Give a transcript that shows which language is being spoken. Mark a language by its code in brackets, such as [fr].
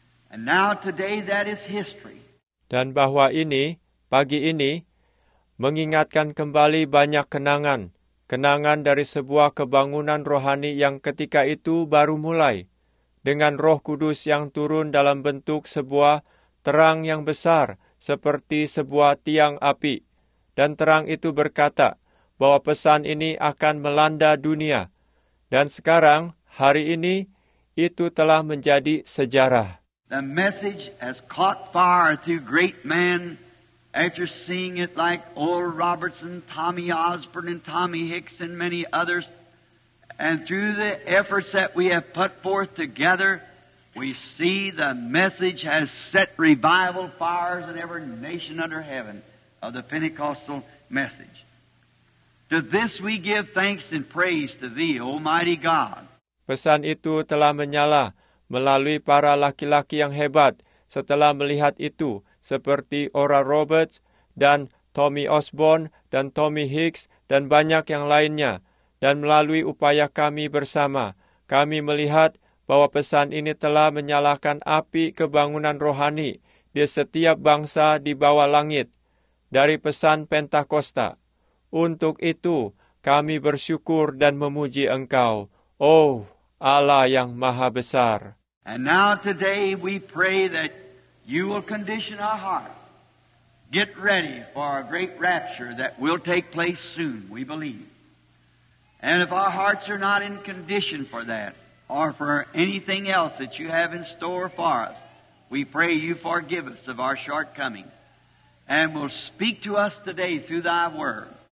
[en] And now today that is history. [id] Dan bahwa ini, pagi ini, mengingatkan kembali banyak kenangan, kenangan dari sebuah kebangunan rohani yang ketika itu baru mulai, dengan Roh Kudus yang turun dalam bentuk sebuah terang yang besar, seperti sebuah tiang api. Dan terang itu berkata bahwa pesan ini akan melanda dunia. Dan sekarang, hari ini, itu telah menjadi sejarah. [en] The message has caught fire through great men. After seeing it like Oral Robertson, Tommy Osborne, and Tommy Hicks, and many others, and through the efforts that we have put forth together, we see the message has set revival fires in every nation under heaven of the Pentecostal message. To this we give thanks and praise to Thee, Almighty God. [id] Pesan itu telah menyala melalui para laki-laki yang hebat setelah melihat itu, seperti Oral Roberts dan Tommy Osborne dan Tommy Hicks dan banyak yang lainnya. Dan melalui upaya kami bersama, kami melihat bahwa pesan ini telah menyalakan api kebangunan rohani di setiap bangsa di bawah langit dari pesan Pentakosta. Untuk itu, kami bersyukur dan memuji Engkau, oh Allah yang Maha Besar. [en] And now today we pray that you will condition our hearts. Get ready for a great rapture that will take place soon, we believe. And if our hearts are not in condition for that, or for anything else that you have in store for us, we pray you forgive us of our shortcomings, and will speak to us today through thy word.